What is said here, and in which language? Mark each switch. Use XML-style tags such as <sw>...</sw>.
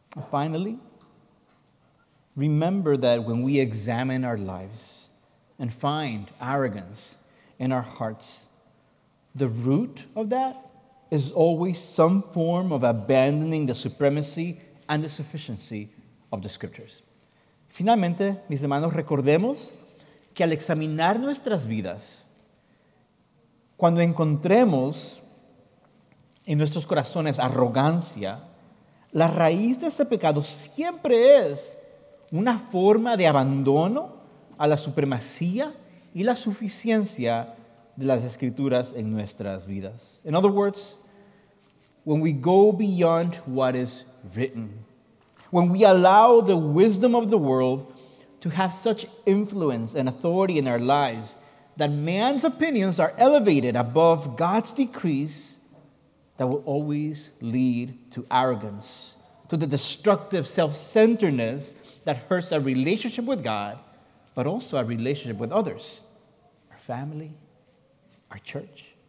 <en>Finally, remember that when we examine our lives and find arrogance in our hearts, the root of that is always some form of abandoning the supremacy and the sufficiency of the scriptures.</en> <es>Finalmente, mis hermanos, recordemos que al examinar nuestras vidas, cuando encontremos en nuestros corazones arrogancia, la raíz de ese pecado siempre es una forma de abandono a la supremacía y la suficiencia de las escrituras en nuestras vidas.</es> <en>In other words, when we go beyond what is written, when we allow the wisdom of the world to have such influence and authority in our lives that man's opinions are elevated above God's decrees, that will always lead to arrogance, to the destructive self-centeredness that hurts our relationship with God, but also our relationship with others, our family, our church.</en>